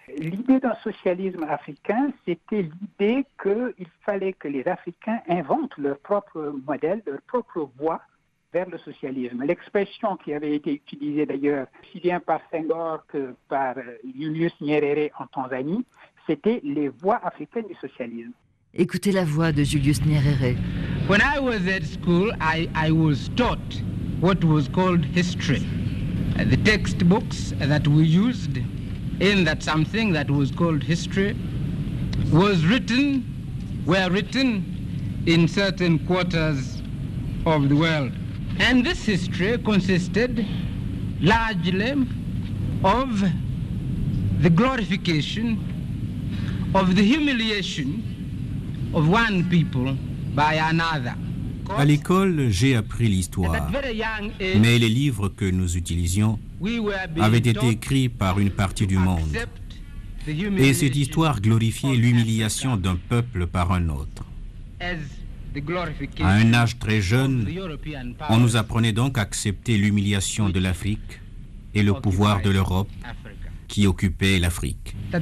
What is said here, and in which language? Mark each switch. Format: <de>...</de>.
<fr>L'idée d'un socialisme africain, c'était l'idée qu'il fallait que les Africains inventent leur propre modèle, leur propre voie vers le socialisme. L'expression qui avait été utilisée d'ailleurs, si bien par Senghor que par Julius Nyerere en Tanzanie, c'était les voies africaines du socialisme. Écoutez la voix de Julius Nyerere.</fr> <en>When I was at school, I was taught what was called history. The textbooks that we used in that something that was called history were written in certain quarters of the world. And this history consisted largely of the glorification of the humiliation of one people by another.</en> <fr>À l'école, j'ai appris l'histoire, mais les livres que nous utilisions avaient été écrits par une partie du monde. Et cette histoire glorifiait l'humiliation d'un peuple par un autre. À un âge très jeune, on nous apprenait donc à accepter l'humiliation de l'Afrique et le pouvoir de l'Europe qui occupait l'Afrique.</fr>